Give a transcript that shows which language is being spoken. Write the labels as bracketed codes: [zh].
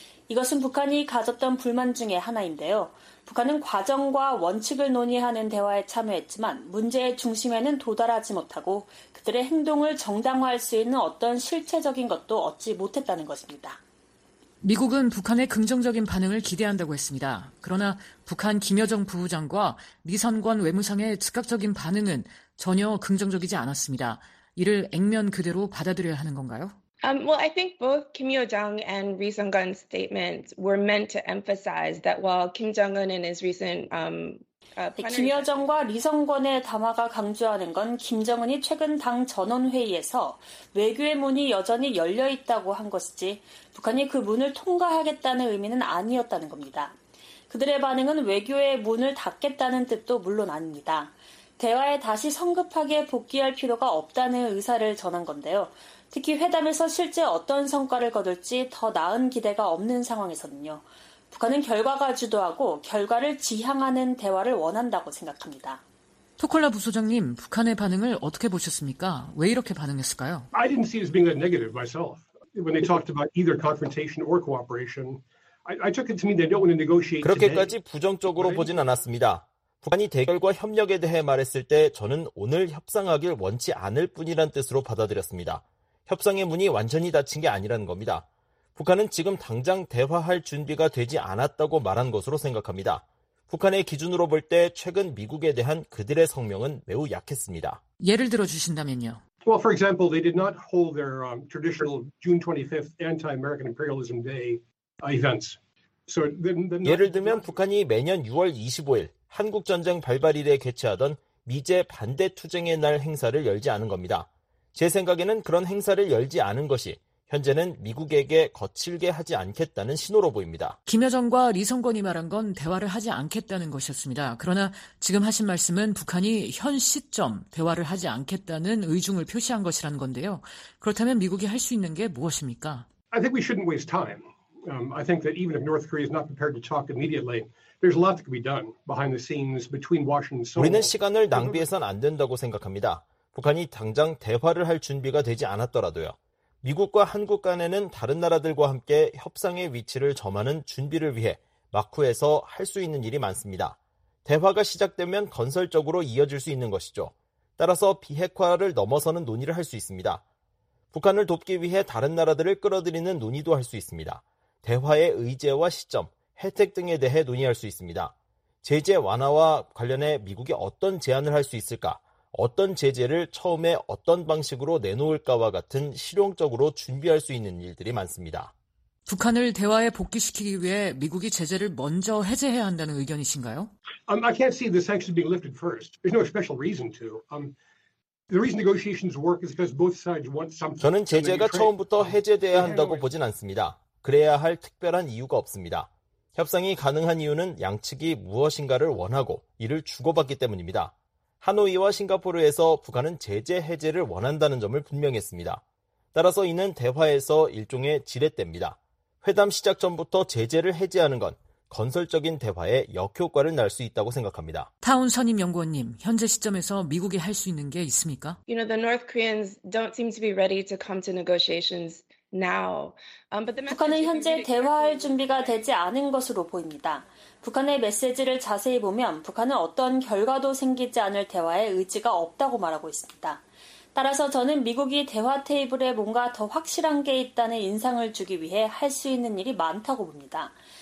[ko] 이것은 북한이 가졌던 불만 중에 하나인데요. 북한은 과정과 원칙을 논의하는 대화에 참여했지만 문제의 중심에는 도달하지 못하고 그들의 행동을 정당화할 수 있는 어떤 실체적인 것도 얻지 못했다는 것입니다. 미국은 북한의 긍정적인 반응을 기대한다고 했습니다. 그러나 북한 김여정 부부장과 리선권 외무상의 즉각적인 반응은 전혀 긍정적이지 않았습니다. 이를 액면 그대로 받아들여야 하는 건가요? [en] Well, I think both Kim Yo-jong and Ri Seung-gun's statements were meant to emphasize that while Kim Jong-un in his recent [ko] 김여정과 리성권의 담화가 강조하는 건 김정은이 최근 당 전원회의에서 외교의 문이 여전히 열려있다고 한 것이지 북한이 그 문을 통과하겠다는 의미는 아니었다는 겁니다. 그들의 반응은 외교의 문을 닫겠다는 뜻도 물론 아닙니다. 대화에 다시 성급하게 복귀할 필요가 없다는 의사를 전한 건데요. 특히 회담에서 실제 어떤 성과를 거둘지 더 나은 기대가 없는 상황에서는요. 북한은 결과가 주도하고 결과를 지향하는 대화를 원한다고 생각합니다. 토콜라 부소장님, 북한의 반응을 어떻게 보셨습니까? 왜 이렇게 반응했을까요? [en] I didn't see it as being a negative myself. When they talked about either confrontation or cooperation, I took it to mean they don't want to negotiate today. [ko] 그렇게까지 부정적으로 보진 않았습니다. 북한이 대결과 협력에 대해 말했을 때 저는 오늘 협상하길 원치 않을 뿐이란 뜻으로 받아들였습니다. 협상의 문이 완전히 닫힌 게 아니라는 겁니다. 북한은 지금 당장 대화할 준비가 되지 않았다고 말한 것으로 생각합니다. 북한의 기준으로 볼 때 최근 미국에 대한 그들의 성명은 매우 약했습니다. 예를 들어 주신다면요. [en] Well, for example, they did not hold their traditional June 25th anti-American imperialism day events. So then [ko] 예를 들면 북한이 매년 6월 25일 한국 전쟁 발발일에 개최하던 미제 반대 투쟁의 날 행사를 열지 않은 겁니다. 제 생각에는 그런 행사를 열지 않은 것이 현재는 미국에게 거칠게 하지 않겠다는 신호로 보입니다. 김여정과 리성권이 말한 건 대화를 하지 않겠다는 것이었습니다. 그러나 지금 하신 말씀은 북한이 현 시점 대화를 하지 않겠다는 의중을 표시한 것이라는 건데요. 그렇다면 미국이 할 수 있는 게 무엇입니까? [en] I think we shouldn't waste time. I think that even if North Korea is not prepared to talk immediately, there's a lot that can be done behind the scenes between Washington and Seoul. [ko] 우리는 시간을 낭비해서는 안 된다고 생각합니다. 북한이 당장 대화를 할 준비가 되지 않았더라도요. 미국과 한국 간에는 다른 나라들과 함께 협상의 위치를 점하는 준비를 위해 막후에서 할 수 있는 일이 많습니다. 대화가 시작되면 건설적으로 이어질 수 있는 것이죠. 따라서 비핵화를 넘어서는 논의를 할 수 있습니다. 북한을 돕기 위해 다른 나라들을 끌어들이는 논의도 할 수 있습니다. 대화의 의제와 시점, 혜택 등에 대해 논의할 수 있습니다. 제재 완화와 관련해 미국이 어떤 제안을 할 수 있을까? 어떤 제재를 처음에 어떤 방식으로 내놓을까와 같은 실용적으로 준비할 수 있는 일들이 많습니다. 북한을 대화에 복귀시키기 위해 미국이 제재를 먼저 해제해야 한다는 의견이신가요? [en] I can't see the sanctions being lifted first. There's no special reason to. The reason negotiations work is because both sides want something. [ko] 저는 제재가 처음부터 해제돼야 한다고 보진 않습니다. 그래야 할 특별한 이유가 없습니다. 협상이 가능한 이유는 양측이 무엇인가를 원하고 이를 주고받기 때문입니다. 하노이와 싱가포르에서 북한은 제재 해제를 원한다는 점을 분명했습니다. 따라서 이는 대화에서 일종의 지렛대입니다. 회담 시작 전부터 제재를 해제하는 건 건설적인 대화에 역효과를 낼 수 있다고 생각합니다. 타운 선임 연구원님, 현재 시점에서 미국이 할 수 있는 게 있습니까? [en] You know, the North Koreans don't seem to be ready to come to negotiations now. But the [ko] 북한은 현재 대화할 준비가 되지 않은 것으로 보입니다. 북한의 메시지를 자세히 보면 북한은 어떤 결과도 생기지 않을 대화에 의지가 없다고 말하고 있습니다. 따라서 저는 미국이 대화 테이블에 뭔가 더 확실한 게 있다는 인상을 주기 위해 할 수 있는 일이 많다고 봅니다.